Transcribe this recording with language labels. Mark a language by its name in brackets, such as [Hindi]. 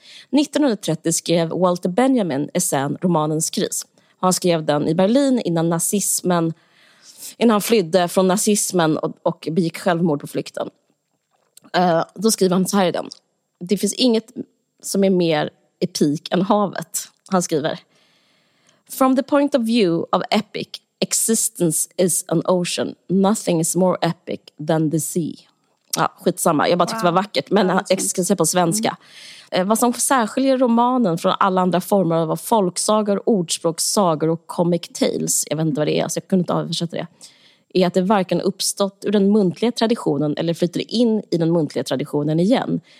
[Swedish] 1930 skrev Walter Benjamin essän Romanens kris. Han skrev den i Berlin innan han flydde från nazismen och begick självmord på flykten. Då skriver han så här i den. Det finns inget som är mer epik än havet, han skriver. [English] From the point of view of epic, existence is an ocean. Nothing is more epic than the sea. [Swedish] Ja, skitsamma. Jag bara tyckte det var vackert. Men jag ska säga på svenska. Vad som särskiljer romanen från alla andra former av folksagor, ordspråk, sagor och comic tales, jag vet inte vad det är, så jag kunde inte översätta det, är att det varken uppstått ur den muntliga traditionen eller flyter in i den muntliga traditionen igen.